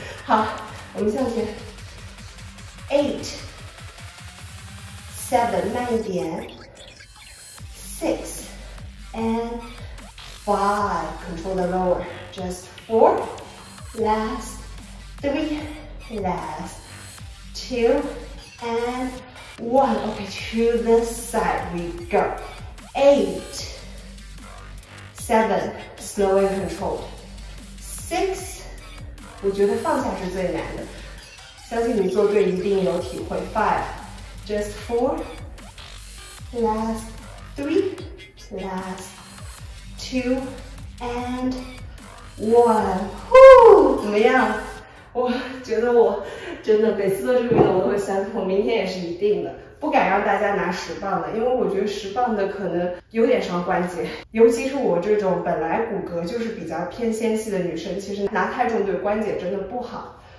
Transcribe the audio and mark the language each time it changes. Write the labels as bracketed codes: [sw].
[zh] 好，我们向前 [en] ，eight， seven， [zh] 慢一点 [en] ，six， and five， control the lower， just four， last， three， last， two， and one， okay， to the side we go， eight。 Seven, slow and controlled. Six, [zh] 我觉得放下是最难的，相信你做对一定有体会。 [en] Five, just four, last three, last two, and one. [zh] Woo, 怎么样？我觉得我真的每次做这个运动我都会酸痛，明天也是一定的。不敢让大家拿十磅了，因为我觉得十磅的可能有点伤关节，尤其是我这种本来骨骼就是比较偏纤细的女生，其实拿太重对关节真的不好。